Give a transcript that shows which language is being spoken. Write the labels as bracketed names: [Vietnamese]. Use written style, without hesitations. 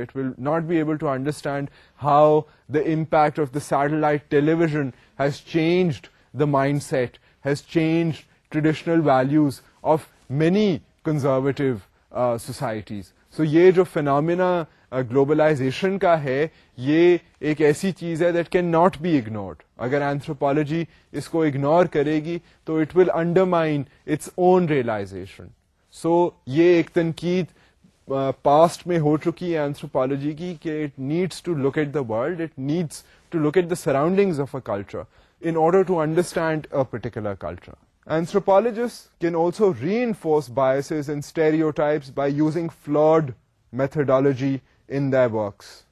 [English] It will not be able to understand how the impact of the satellite television has changed the mindset, has changed traditional values of many conservative societies. [Urdu] سو یہ جو phenomena globalisation کا ہے یہ ایک ایسی چیز ہے [English] That can not be ignored. [Urdu] اگر اینتھروپالوجی اس کو اگنور کرے گی تو [English] It will undermine its own realization. [Urdu] سو یہ ایک تنقید پاسٹ میں ہو چکی ہے اینتھروپالوجی کی کہ [English] It needs to look at the world, it needs to look at the surroundings of a culture in order to understand a particular culture. Anthropologist can also reinforce biases and stereotypes by using flawed methodology in their works.